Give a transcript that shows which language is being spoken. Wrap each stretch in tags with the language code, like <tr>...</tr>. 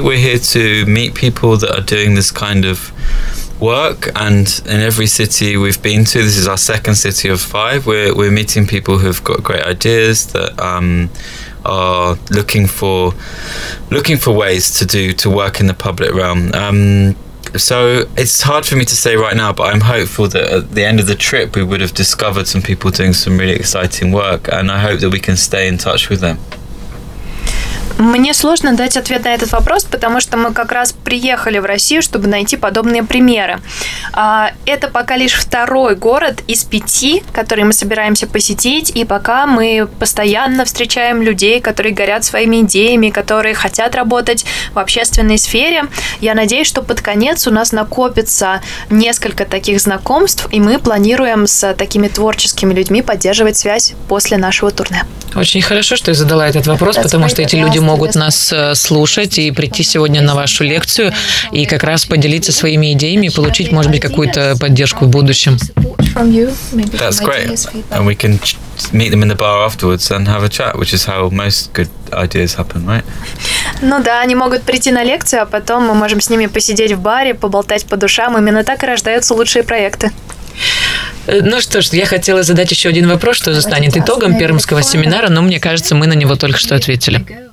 <en>We're here to meet people that are doing this kind of work, and in every city we've been to, this is our second city of five, we're meeting people who've got great ideas that are looking for ways to work in the public realm. So it's hard for me to say right now, but I'm hopeful that at the end of the trip we would have discovered some people doing some really exciting work, and I hope that we can stay in touch with them.</en> <ru>Мне сложно дать ответ на этот вопрос, потому что мы как раз приехали в Россию, чтобы найти подобные примеры. Это пока лишь второй город из пяти, которые мы собираемся посетить, и пока мы постоянно встречаем людей, которые горят своими идеями, которые хотят работать в общественной сфере. Я надеюсь, что под конец у нас накопится несколько таких знакомств, и мы планируем с такими творческими людьми поддерживать связь после нашего турне. Очень хорошо, что я задала этот вопрос, потому что эти люди могут нас слушать и прийти сегодня на вашу лекцию и как раз поделиться своими идеями и получить, может быть, какую-то поддержку в будущем.</ru> <en>That's great. And we can meet them in the bar afterwards and have a chat, which is how most good ideas happen, right?</en> <ru>Ну да, они могут прийти на лекцию, а потом мы можем с ними посидеть в баре, поболтать по душам. Именно так и рождаются лучшие проекты. Ну что ж, я хотела задать еще один вопрос, что станет итогом пермского семинара, но мне кажется, мы на него только что ответили.</ru>